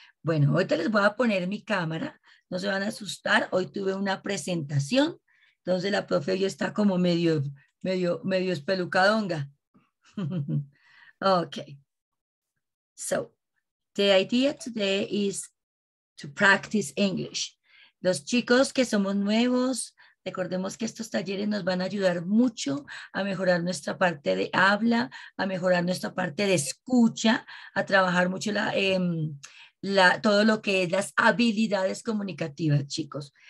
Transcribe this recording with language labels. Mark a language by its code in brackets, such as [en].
[es] Bueno, ahorita les voy a poner mi cámara. No se van a asustar. Hoy tuve una presentación. Entonces la profe ya está como medio espelucadonga. [en] Okay. So, the idea today is to practice English. [es] Los chicos que somos nuevos, recordemos que estos talleres nos van a ayudar mucho a mejorar nuestra parte de habla, a mejorar nuestra parte de escucha, a trabajar mucho todo lo que es las habilidades comunicativas, chicos.